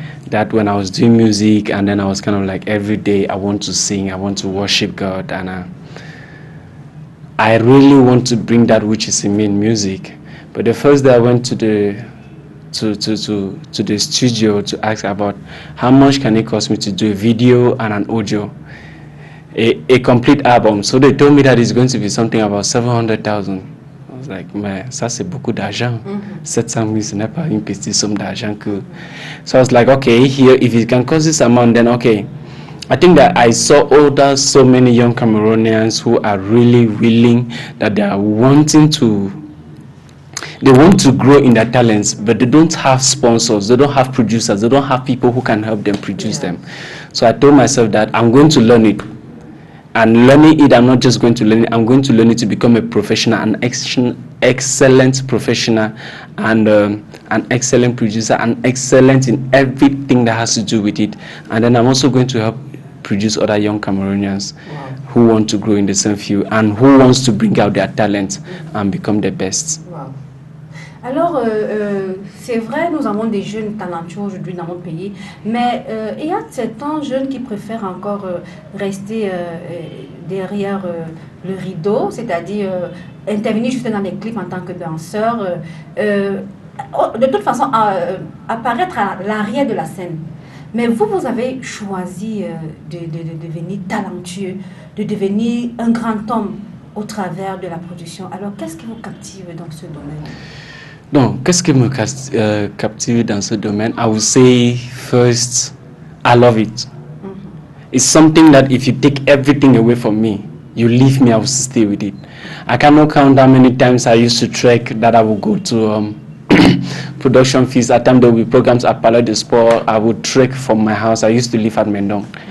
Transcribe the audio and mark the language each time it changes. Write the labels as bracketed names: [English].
[English] That when I was doing music and then I was kind of like every day I want to sing, I want to worship God, and I really want to bring that which is in me in music. But the first day I went to the to the studio to ask about how much can it cost me to do a video and an audio, a complete album. So they told me that it's going to be something about 700,000. I was like, man, [French] ça c'est beaucoup d'argent. 700,000 ce n'est pas une petite somme d'argent que. [English] So I was like, okay, here if it can cost this amount, then okay. I think that I saw older, so many young Cameroonians who are really willing, that they are wanting to. They want to grow in their talents, but they don't have sponsors, they don't have producers, they don't have people who can help them produce them. So I told myself that I'm going to learn it. And learning it, I'm not just going to learn it, I'm going to learn it to become a professional, an excellent professional, and an excellent producer, and excellent in everything that has to do with it. And then I'm also going to help produce other young Cameroonians who want to grow in the same field and who wants to bring out their talent and become the best. [French] Alors, c'est vrai, nous avons des jeunes talentueux aujourd'hui dans mon pays, mais il y a certains jeunes qui préfèrent encore rester derrière le rideau, c'est-à-dire intervenir juste dans les clips en tant que danseur, de toute façon, apparaître à l'arrière de la scène. Mais vous, vous avez choisi de devenir talentueux, de devenir un grand homme au travers de la production. Alors, qu'est-ce qui vous captive dans ce domaine? Donc, qu'est-ce qui me captive dans ce domaine? [English] I would say first, I love it. It's something that if you take everything away from me, you leave me, I will stay with it. I cannot count how many times I used to trek that I would go to production fees. At times there will be programs at Palais de Sport. I would trek from my house. I used to live at Mendong.